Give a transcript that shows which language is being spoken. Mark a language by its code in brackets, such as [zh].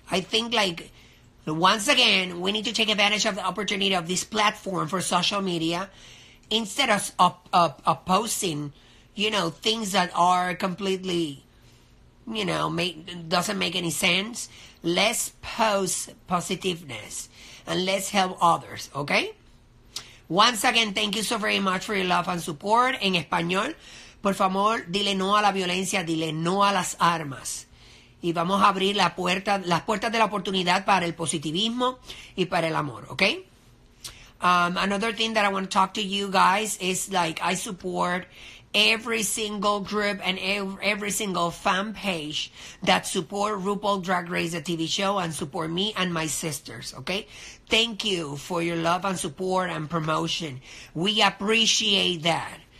[en] I think like, once again, we need to take advantage of the opportunity of this platform for social media instead of posting, you know, things that are completely, you know, doesn't make any sense. Let's post positiveness and let's help others, okay? Once again, thank you so very much for your love and support. [es] En español, por favor, dile no a la violencia, dile no a las armas. Y vamos a abrir las puertas de la oportunidad para el positivismo y para el amor, ¿ok? [en] Another thing that I want to talk to you guys is like I support every single group and every single fan page that support RuPaul Drag Race, the TV show, and support me and my sisters, ¿ok? Thank you for your love and support and promotion. We appreciate that.